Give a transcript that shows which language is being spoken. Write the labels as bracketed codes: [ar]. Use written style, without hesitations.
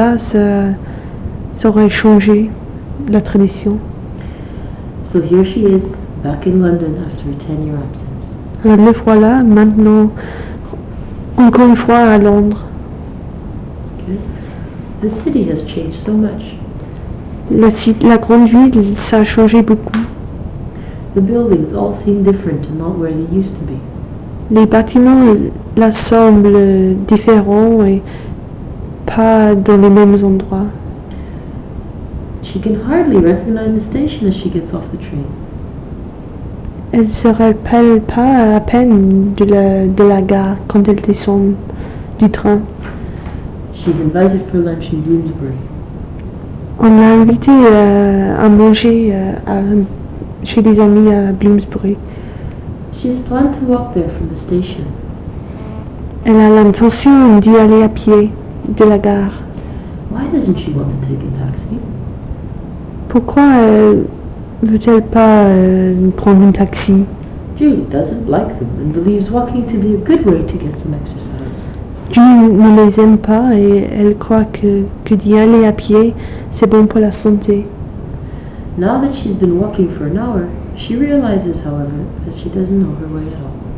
[fr] S'il n'avait pas fait cela, ça aurait changé la tradition. [en] So here she is, back in London after a 10-year absence. [fr] Alors le voilà maintenant, encore une fois à Londres. [en] Okay. The city has changed so much. [fr] La grande ville, ça a changé beaucoup. [en] The buildings all seem different and not where they used to be. [fr] Les bâtiments, là, semblent différents et pas dans les mêmes endroits. [en] She can hardly recognize the station as she gets off the train. [fr] Elle se rappelle pas à peine de la gare quand elle descend du train. [en] She's invited for lunch in Bloomsbury. [fr] On l'a invitée à manger chez des amis à Bloomsbury. [en] She's planned to walk there from the station. [fr] Elle a l'intention d'y aller à pied de la gare. [en] Why doesn't she want to take a taxi? [fr] Pourquoi veut-elle pas prendre un taxi? [en] Julie doesn't like them and believes walking to be a good way to get some exercise. [fr] Julie ne les aime pas et elle croit que d'y aller à pied c'est bon pour la santé. [en] Now that she's been walking for an hour, she realizes, however, that she doesn't know her way at all.